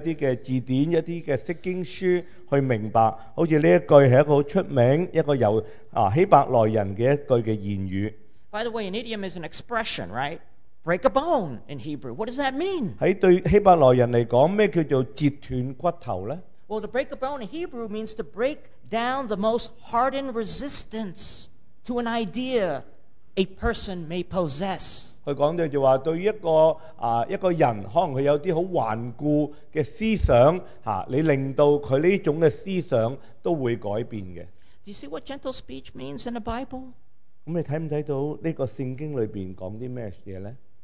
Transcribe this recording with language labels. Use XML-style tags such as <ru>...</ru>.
<zh>很多时候我们看圣经,可能都需要一些字典,一些释经书去明白, 好像这一句是一个很出名,一个由希伯来人的一句言语。</zh> <en>By the way, an idiom is an expression, right? Break a bone in Hebrew. What does that mean?</en> <zh>对希伯来人来说,什么叫做截断骨头呢?</zh> <en>Well, to break a bone in Hebrew means to break down the most hardened resistance to an idea a person may possess.</en> <zh>他说到,对一个人,可能他有些很顽固的思想,你令到他这种思想都会改变的。</zh> <en>Do you see what gentle speech means in the Bible?</en> <zh>那你看不看到这个圣经里面讲些什么呢?</zh>